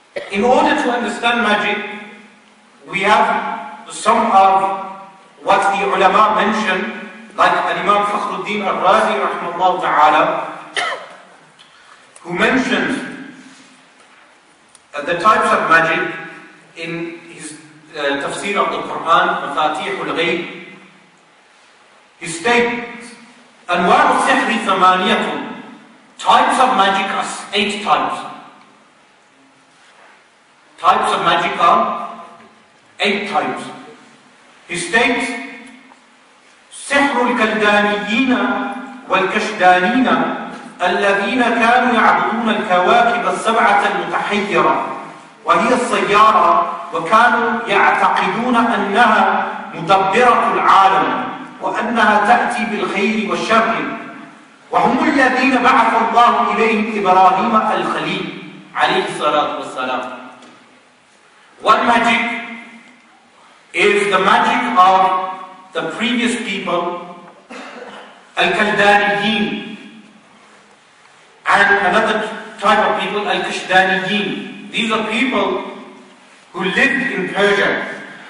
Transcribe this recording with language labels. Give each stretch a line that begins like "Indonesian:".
English: In order to understand magic, we have some of what the ulama mentioned, like Al-Imam Fakhruddin al-Razi rahmatullah ta'ala, who mentioned the types of magic in his tafsir of the Quran, Mafatih al-Ghayb. He states,
Arabic: Anwar al-Sihri thamaniyatun.
English: Types of magic are 8 types. Types of magic are 8 types. He states,
Arabic: سحر الكلدانيين والكشدانين الذين كانوا يعبدون الكواكب السبعة المتحيرة وهي السيارة وكانوا يعتقدون أنها مدبرة العالم وأنها تأتي بالخير والشر وهم الذين بعث الله إليهم إبراهيم الخليل عليه الصلاة والسلام.
English: One magic is the magic of the previous people, Al-Kaldaniyin, and another type of people, Al-Kashdaniyin. These are people who lived in Persia.